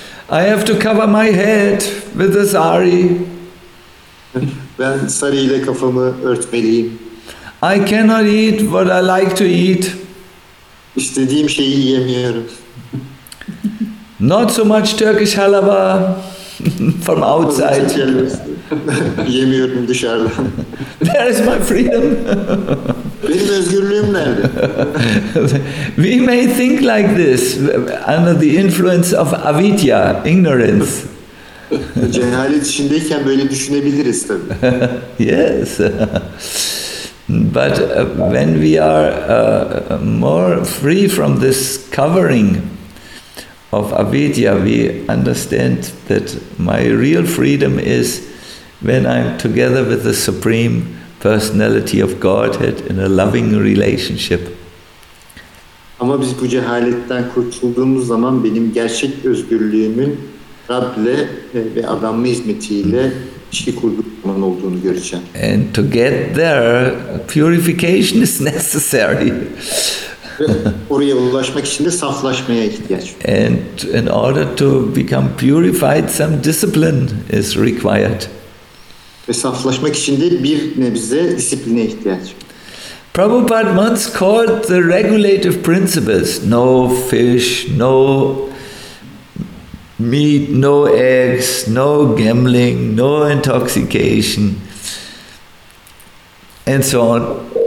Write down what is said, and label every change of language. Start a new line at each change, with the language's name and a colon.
English: I have to cover my head with the sari.
Turkish: Ben sarı ile kafamı örtmeliyim.
English: I cannot eat what I like to eat.
Turkish: İstediğim şeyi yiyemiyorum.
English: Not so much Turkish halva from outside.
Turkish: Yemiyorum dışarıdan.
English: There is my freedom.
Turkish: Benim özgürlüğüm nerede?
English: We may think like this under the influence of avidya, ignorance.
Turkish: Cehalet içindeyken böyle düşünebiliriz tabii.
English: Yes. But when we are more free from this covering of avidya, we understand that my real freedom is when I'm together with the Supreme Personality of Godhead in a loving relationship.
Turkish: Ama biz bu cehaletten kurtulduğumuz zaman benim gerçek özgürlüğümün Rab'le ve adamı hizmetiyle ilişki kurduğumun olduğunu göreceğim.
English: And to get there, purification is necessary.
Turkish: Oraya ulaşmak için de saflaşmaya ihtiyaç var.
English: And in order to become purified, some discipline is required.
Turkish: Ve saflaşmak için de bir nebze disipline ihtiyaç var.
English: Prabhupada once called the regulative principles, no fish, no meat, no eggs, no gambling, no intoxication, and so on.